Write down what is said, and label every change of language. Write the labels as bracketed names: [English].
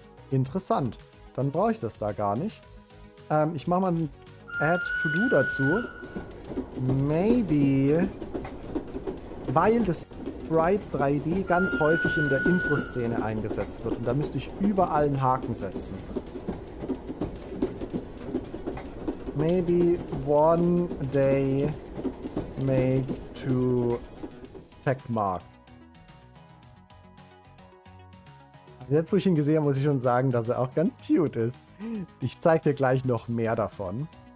[German] Interessant. Dann brauche ich das da gar nicht. Ich mache mal ein Add to Do dazu. [English] Maybe. [German] Weil das Sprite 3D ganz häufig in der Intro-Szene eingesetzt wird. Und da müsste ich überall einen Haken setzen. [English] Maybe one day make to checkmark. [German] Jetzt, wo ich ihn gesehen habe, muss ich schon sagen, dass er auch ganz cute ist. Ich zeige dir gleich noch mehr davon.